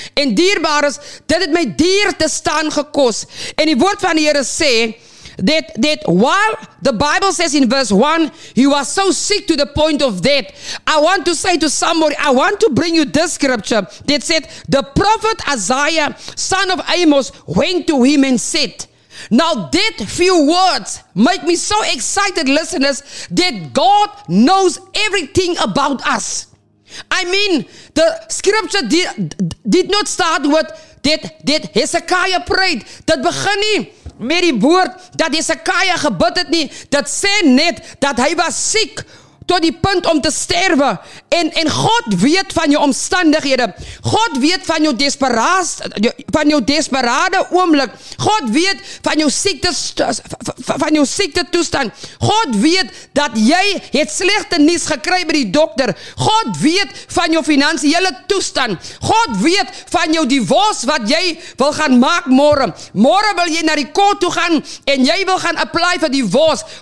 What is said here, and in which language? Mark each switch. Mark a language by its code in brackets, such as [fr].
[af] En dierbares, dit het my dier te staan gekos. En die woord van die Here sê, [en] that while the Bible says in verse 1, he was so sick to the point of death. I want to say to somebody, I want to bring you this scripture that said, the prophet Isaiah, son of Amos, went to him and said. Now that few words make me so excited, listeners, that God knows everything about us. I mean, the scripture did not start with that Hezekiah prayed. [af] Dat begin nie met die woord dat Hezekiah gebid het nie. Dat sê net dat hy was siek tot die punt om te sterwe. En God weet van jou omstandighede. God weet van jou desperate oomblik. God weet van jou siekte, van jou siekte toestand. God weet dat jy het slegte nuus gekry by die dokter. God weet van jou finansiële toestand. God weet van jou divorce wat jy wil gaan maak môre. Môre wil jy na die kort toe gaan en jy wil gaan apply vir die divorce.